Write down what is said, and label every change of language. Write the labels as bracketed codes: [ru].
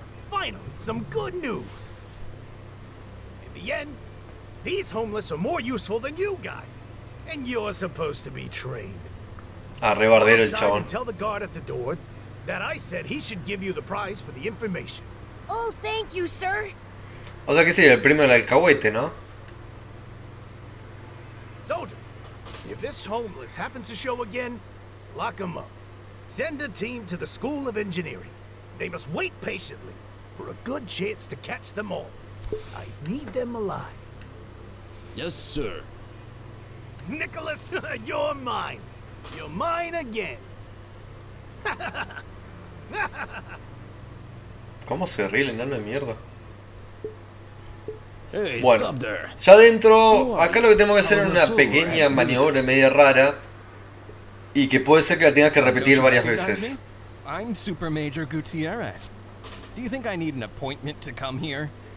[en] Finally, some good news. In the end, these homeless are more useful than you guys. And you're supposed to be trained. [es] Arrebardero el chabón. [en] Tell the guard at the door that I said he should give you the prize for the information. Oh, thank you, sir. [es] O sea que sí, el primo del alcahuete, ¿no? [en] Soldier, if this homeless happens to show again, lock him up. Send a team to the School of Engineering. They must wait patiently for a good chance to catch them all. I need them alive. Yes, sir. Nicholas, you're mine. You're mine again. [es] ¿Cómo se ríe el enano de mierda? [en] Hey, [es] bueno, [en] stop there. [es] Ya dentro, acá lo que tengo que hacer es una pequeña maniobra media rara. Y que puede ser que la tengas que repetir varias veces. [en] I'm Super Major Gutierrez. Do you think I need an appointment to come here?